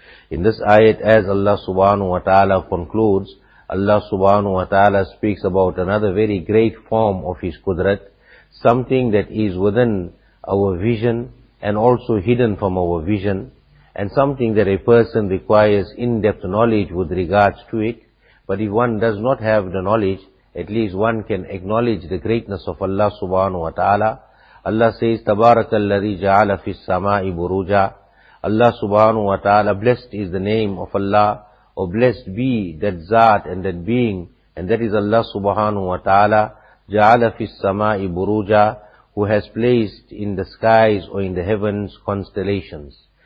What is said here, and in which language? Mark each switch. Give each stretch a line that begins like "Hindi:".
English: In this ayat, as Allah subhanahu wa ta'ala concludes, Allah subhanahu wa ta'ala speaks about another very great form of His Qudrat, something that is within our vision and also hidden from our vision, and something that a person requires in-depth knowledge with regards to it. But if one does not have the knowledge, at least one can acknowledge the greatness of Allah subhanahu wa ta'ala. Allah says,
Arabic: تَبَارَكَ الَّذِي جَعَلَ فِي السَّمَاءِ بُرُوجًا.
English: Allah subhanahu wa ta'ala, blessed is the name of Allah, or blessed be that Zat and that being, and that is Allah subhanahu wa ta'ala,
Arabic: جَعَلَ فِي السَّمَاءِ بُرُوجًا,
English: who has placed in the skies or in the heavens constellations.